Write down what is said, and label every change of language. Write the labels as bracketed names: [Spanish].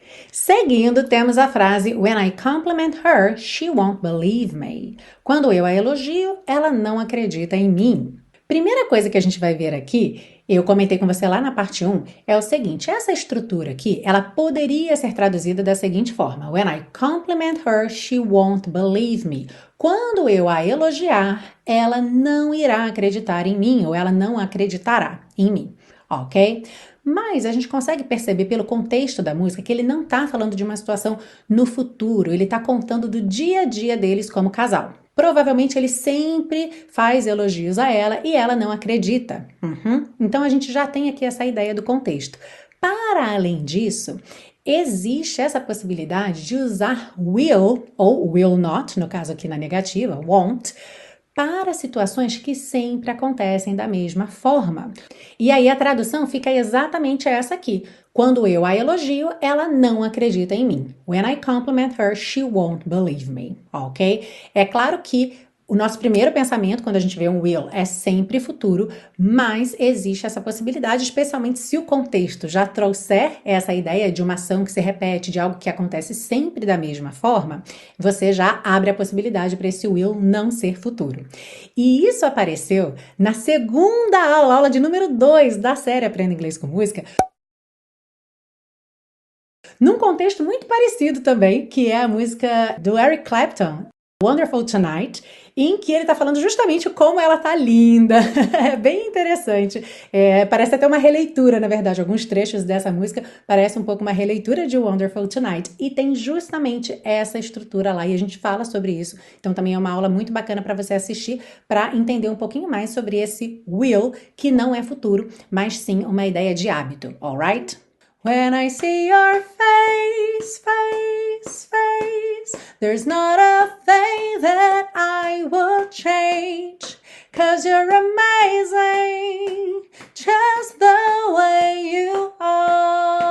[Portuguese] Seguindo, temos a frase [English] When I compliment her, she won't believe me. [Portuguese] Quando eu a elogio, ela não acredita em mim. Primeira coisa que a gente vai ver aqui, eu comentei com você lá na parte 1, é o seguinte, essa estrutura aqui, ela poderia ser traduzida da seguinte forma, [English] When I compliment her, she won't believe me. [Portuguese] Quando eu a elogiar, ela não irá acreditar em mim, ou ela não acreditará em mim, ok? Mas a gente consegue perceber pelo contexto da música que ele não está falando de uma situação no futuro, ele está contando do dia a dia deles como casal. Provavelmente ele sempre faz elogios a ela e ela não acredita. Uhum. Então a gente já tem aqui essa ideia do contexto. Para além disso, existe essa possibilidade de usar will ou will not, no caso aqui na negativa, won't, para situações que sempre acontecem da mesma forma. E aí a tradução fica exatamente essa aqui. Quando eu a elogio, ela não acredita em mim. [English] When I compliment her, she won't believe me. Ok? [Portuguese] É claro que o nosso primeiro pensamento, quando a gente vê um will, é sempre futuro, mas existe essa possibilidade, especialmente se o contexto já trouxer essa ideia de uma ação que se repete, de algo que acontece sempre da mesma forma, você já abre a possibilidade para esse will não ser futuro. E isso apareceu na segunda aula, aula de número 2 da série Aprenda Inglês com Música, num contexto muito parecido também, que é a música do Eric Clapton, Wonderful Tonight, em que ele tá falando justamente como ela tá linda. É bem interessante. É, parece até uma releitura, na verdade. Alguns trechos dessa música parecem um pouco uma releitura de Wonderful Tonight. E tem justamente essa estrutura lá. E a gente fala sobre isso. Então também é uma aula muito bacana para você assistir para entender um pouquinho mais sobre esse will, que não é futuro, mas sim uma ideia de hábito. [English] Alright? When I see your face, face, there's not a thing that I will change. 'Cause you're amazing, just the way you are.